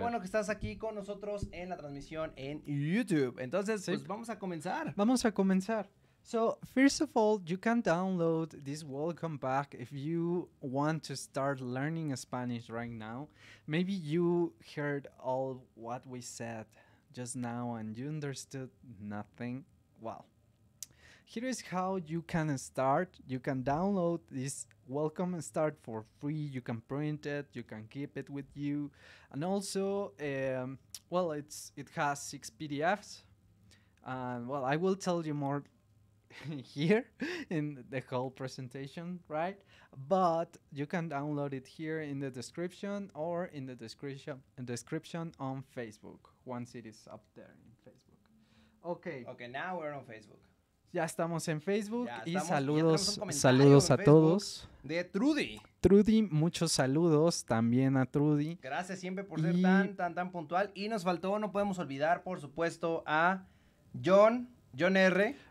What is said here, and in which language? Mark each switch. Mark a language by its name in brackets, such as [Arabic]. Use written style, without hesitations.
[Spanish] Qué bueno que estás aquí con nosotros en la transmisión en YouTube. Entonces, sí. Pues vamos a comenzar. Vamos a comenzar. [English] So, first of all, you can download this welcome pack if you want to start learning Spanish right now. Maybe you heard all what we said just now and you understood nothing. Well, Here is how you can start. You can download this welcome start for free. You can print it. You can keep it with you. And also, well, it has 6 PDFs. And well, I will tell you more here in the whole presentation, right? But you can download it here in the description or in the description on Facebook once it is up there in Facebook. Okay. Okay, now we're on Facebook. [Spanish] Ya estamos en Facebook y saludos a todos. De Trudy. Trudy, muchos saludos también a Trudy. Gracias siempre por ser tan puntual. Y nos faltó, no podemos olvidar, por supuesto, a John R.